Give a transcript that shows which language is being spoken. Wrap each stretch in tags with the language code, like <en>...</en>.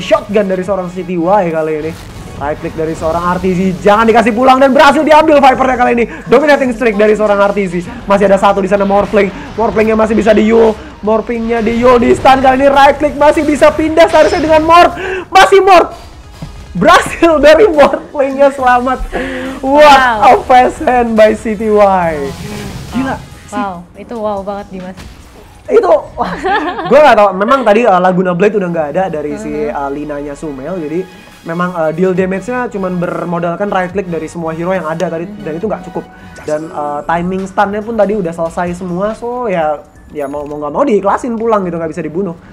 <id>Shotgun dari seorang City Y kali ini. Right click dari seorang RTZ, jangan dikasih pulang dan berhasil diambil Viper-nya kali ini. Dominating streak dari seorang RTZ. Masih ada satu di sana, Morphling. Morphling-nya masih bisa di Yule. Morphing-nya di Yule di stun kali ini. Right click masih bisa pindah seharusnya dengan Morph. Masih Morph. Berhasil dari Morphling-nya, selamat.</id> <en>What a fast hand by City Y.</en> <id>Gila. Itu wow banget Dimas. Itu, gue gak tau, memang tadi Laguna Blade udah gak ada dari si Lina-nya Sumail. Jadi memang deal damage-nya cuma bermodalkan right click dari semua hero yang ada tadi. Dan itu gak cukup. Dan timing stun-nya pun tadi udah selesai semua. So ya mau gak mau diiklasin pulang gitu, gak bisa dibunuh.</id>